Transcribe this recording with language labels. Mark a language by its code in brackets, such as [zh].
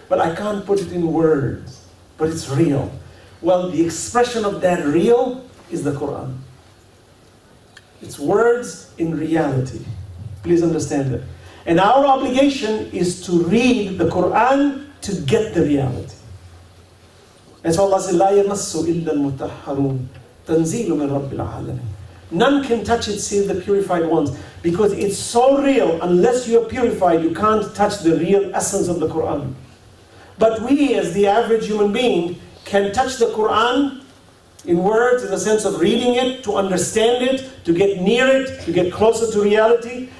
[en] Well, I can't put it in words. But it's real. Well, the expression of that real is the Quran. It's words in reality. Please understand that. And our obligation is to read the Quran to get the reality. And so Allah says, [ar] لا يمسوا إلا المتحرون تنزيل من رب العالمين. [en] None can touch it save the purified ones. Because it's so real, unless you're purified, you can't touch the real essence of the Quran. But we, as the average human being, can touch the Quran in words, in the sense of reading it, to understand it, to get near it, to get closer to reality.